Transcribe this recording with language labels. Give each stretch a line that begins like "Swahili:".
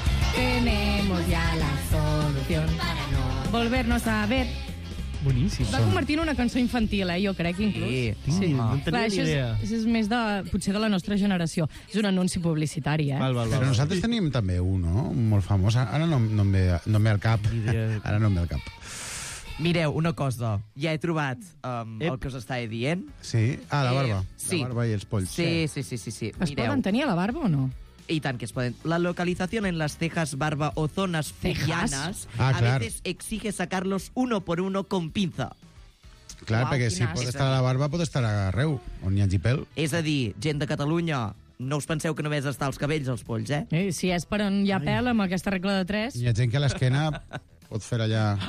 Spanish: Tenemos ya la solución para no volvernos a ver.
Catalan: Boníssim. Va convertir en una cançó infantil, eh? Jo crec, inclús. Sí, no en tenia ni idea. Això és més de, potser, de la nostra generació. És un anunci publicitari, eh? Val. Però nosaltres tenim també un, no? Molt famós. Ara no em ve al cap. Ara no em ve al cap. Mireu, una cosa. Ja he trobat el que us estava dient. Sí? Ah, la barba. Sí. La barba i els polls. Sí. Es Mireu. Poden tenir a la barba o no? I tant que es poden.
Spanish: La localización en las cejas, barba o zonas fullianas a veces exige sacarlos uno por uno con pinza.
Catalan: Clar, perquè si pot estar a la barba, pot estar arreu, on hi hagi pèl. És a dir, gent de Catalunya... No us penseu que només està als cabells, els polls, eh? Si és per on hi ha pèl, amb aquesta regla de tres... Hi ha gent que a l'esquena pot fer allà...